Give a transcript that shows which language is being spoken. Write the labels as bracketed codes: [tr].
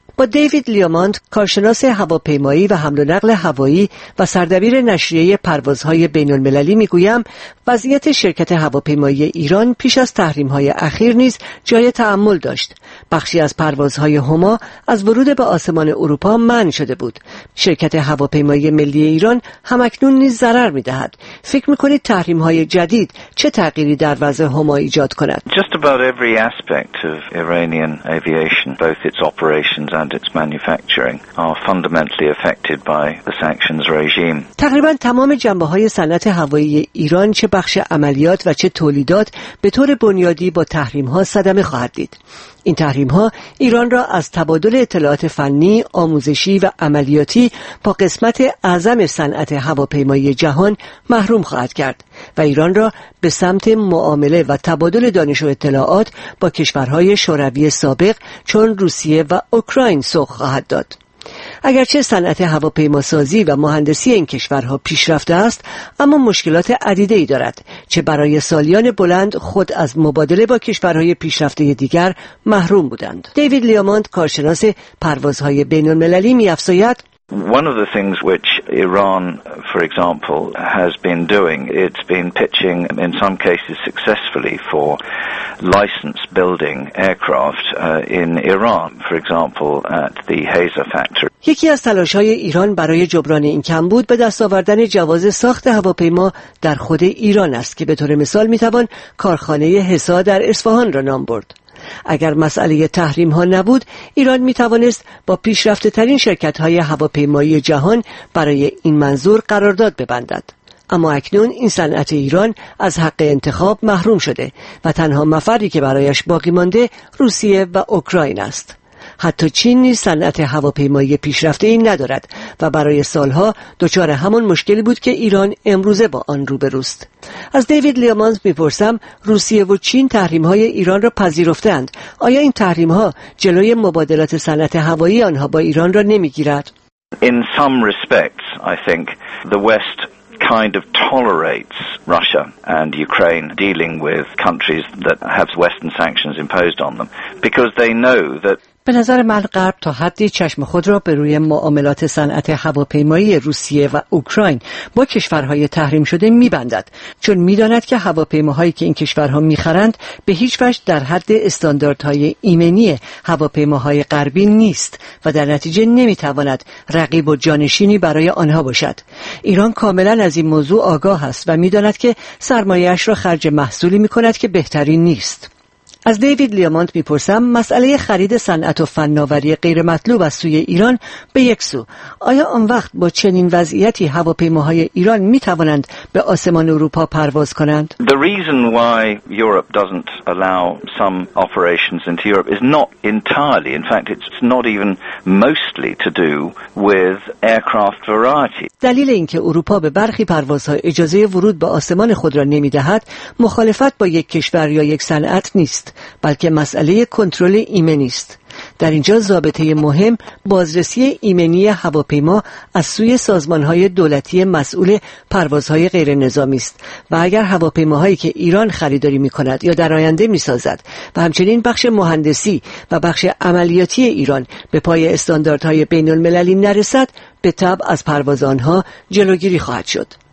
[fa] با دیوید لیاماند، کارشناس هواپیمایی و حمل و نقل هوایی و سردبیر نشریه پروازهای بین المللی می گویم، وضعیت شرکت هواپیمایی ایران پیش از تحریم‌های اخیر نیز جای تأمل داشت. بخشی از پروازهای هما از ورود به آسمان اروپا منع شده بود. شرکت هواپیمایی ملی ایران هم اکنون نیز ضرر می دهد. فکر می کنید تحریم‌های جدید چه تغییری در وضع هما ایجاد کند؟ [en] Just about every aspect of Iranian aviation, both its operations and its manufacturing are fundamentally affected by the sanctions regime. [fa] تقریبا تمام جنبه‌های صنعت هوایی ایران، چه بخش عملیات و چه تولیدات، به طور بنیادی با تحریم‌ها صدمه خواهد دید. این تحریم‌ها ایران را از تبادل اطلاعات فنی، آموزشی و عملیاتی با قسمت اعظم صنعت هواپیمایی جهان محروم خواهد کرد و ایران را به سمت معامله و تبادل دانش و اطلاعات با کشورهای شوروی سابق چون روسیه و اوکراین سوق خواهد داد. اگرچه صنعت هواپیماسازی و مهندسی این کشورها پیشرفته است، اما مشکلات عدیده‌ای دارد، چه برای سالیان بلند خود از مبادله با کشورهای پیشرفته دیگر محروم بودند. دیوید لیاماند، کارشناس پروازهای بین‌المللی، می‌افزاید: [en] One of the things which Iran, for example, has been doing, it's been pitching in some cases successfully for license building aircraft in Iran, for example, at the Hazer factory. [fa] یکی از تلاش‌های ایران برای جبران این کمبود به دست آوردن جواز ساخت هواپیما در خود ایران است که به طور مثال می‌توان کارخانه حصار در اصفهان را نام برد. اگر مسئله تحریم ها نبود، ایران می توانست با پیشرفته ترین شرکت های هواپیمایی جهان برای این منظور قرارداد ببندد. اما اکنون این صنعت ایران از حق انتخاب محروم شده و تنها مفری که برایش باقی مانده روسیه و اوکراین است. حتی چین نیز صنعت هواپیمایی پیشرفته ای ندارد و برای سالها دچار همان مشکلی بود که ایران امروزه با آن روبروست. از دیوید لیامانز میپرسم، روسیه و چین تحریم های ایران را پذیرفتند. آیا این تحریم ها جلوی مبادلات صنعت هوایی آنها با ایران را نمیگیرد؟ [en] In some respects, I think the West kind of tolerates Russia and Ukraine dealing with countries that have Western sanctions imposed on them because they know that [fa] به نظر من غرب تا حدی چشم خود را به روی معاملات صنعت هواپیمایی روسیه و اوکراین با کشورهای تحریم شده می‌بندد، چون می‌داند که هواپیماهایی که این کشورها می‌خرند به هیچ وجه در حد استانداردهای ایمنی هواپیماهای غربی نیست و در نتیجه نمی‌تواند رقیب و جانشینی برای آنها باشد. ایران کاملاً از این موضوع آگاه است و می‌داند که سرمایه‌اش را خرج محصولی می‌کند که بهترین نیست. از دیوید لیاماند میپرسم، مسئله خرید صنعت و فناوری غیر مطلوب از سوی ایران به یک سو، آیا آن وقت با چنین وضعیتی هواپیماهای ایران میتوانند به آسمان اروپا پرواز کنند؟ [en] The reason why Europe doesn't allow some operations into Europe is not entirely, in fact it's not even mostly to do with aircraft variety. [fa] دلیل اینکه اروپا به برخی پروازها اجازه ورود به آسمان خود را نمیدهد، مخالفت با یک کشور یا یک صنعت نیست، بلکه مسئله کنترل ایمنی است. در اینجا ضابطه مهم بازرسی ایمنی هواپیما از سوی سازمان‌های دولتی مسئول پروازهای غیر نظامی است و اگر هواپیماهایی که ایران خریداری می‌کند یا در آینده می‌سازد و همچنین بخش مهندسی و بخش عملیاتی ایران به پای استانداردهای بین‌المللی نرسد، به تبع از پرواز آنها جلوگیری خواهد شد.